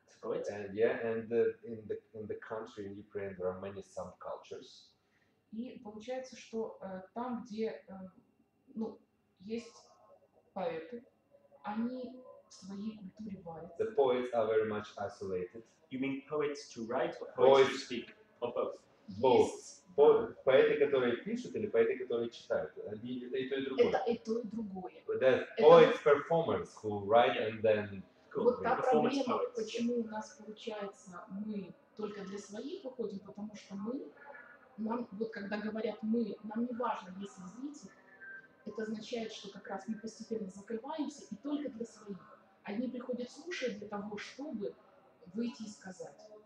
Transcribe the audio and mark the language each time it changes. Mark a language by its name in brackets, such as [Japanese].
[English] And in the country in Ukraine there are many subcultures. [Russian] И получается, что там, где ну есть поэты, они в своей культуре варятся. [English] The poets are very much isolated. You mean poets to write or poets to speak or both? Both. [Russian] Поэты, которые пишут, или поэты, которые читают. Они, это и то, и другое. Это и то, и другое. [English] But there's poets performers who write and then. Cool. [Russian] Вот та проблема, почему у нас получается, мы только для своих выходим, потому что мы, нам, вот когда говорят мы, нам не важно, если зритель, это означает, что как раз мы постепенно закрываемся и только для своих. Одни приходят слушать для того, чтобы выйти и сказать.